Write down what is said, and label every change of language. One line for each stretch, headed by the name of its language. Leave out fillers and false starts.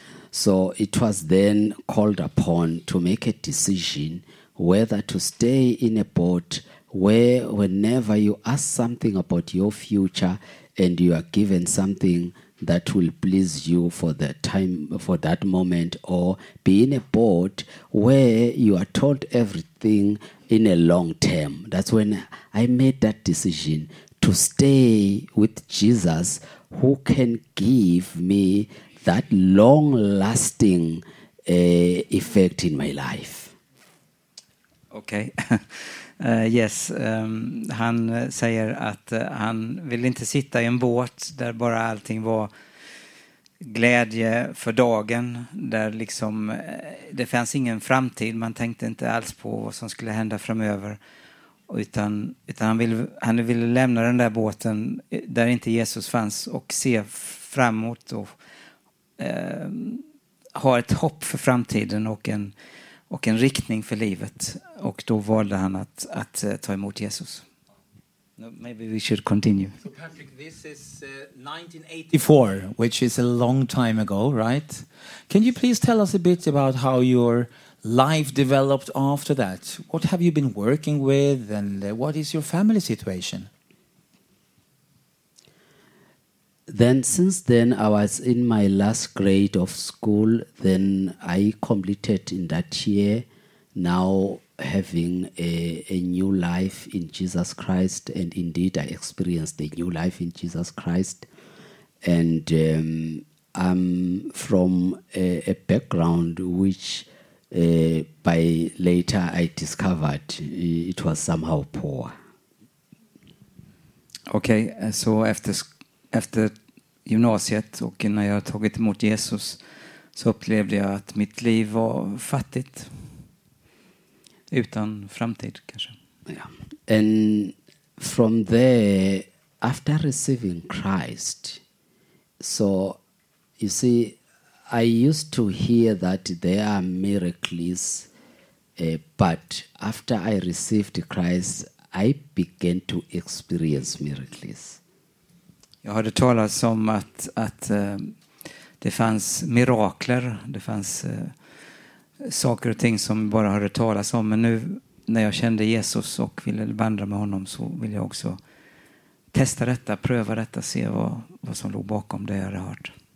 English: So it was then called upon to make a decision whether to stay in a boat where whenever you ask something about your future and you are given something that will please you for that time, for that moment, or be in a boat where you are told everything in a long term. That's when I made that decision to stay with Jesus, who can give me that long-lasting effect in my life. Okay.
Swedish: Yes, han säger att han vill inte sitta i en båt där bara allting var glädje för dagen, där liksom det fanns ingen framtid, man tänkte inte alls på vad som skulle hända framöver, utan han ville lämna den där båten där inte Jesus fanns och se framåt och ha ett hopp för framtiden och en riktning för livet, och då valde han att ta emot Jesus.
English: Maybe we should continue. So Patrick, this is 1984, which is a long time ago, right? Can you please tell us a bit about how your life developed after that? What have you been working with, and what is your family situation? Then, since then, I was in my last grade of school. Then I completed in that year, now having a new life in Jesus Christ. And indeed, I experienced a new life in Jesus Christ. And I'm from a background which by later I discovered it was somehow poor. Okay, so after
Swedish: gymnasiet och när jag tagit emot Jesus, så upplevde jag att mitt liv var fattigt, utan framtid kanske.
English: Yeah. And from there, after receiving Christ, so you see, I used to hear that there are miracles, but after I received Christ, I began to experience miracles.
Swedish: Jag hörde talas om att det fanns mirakler, det fanns saker och ting som bara hörde talas om. Men nu när jag kände Jesus och ville vandra med honom, så vill jag också testa detta, pröva detta, se vad som låg bakom det jag hade hört.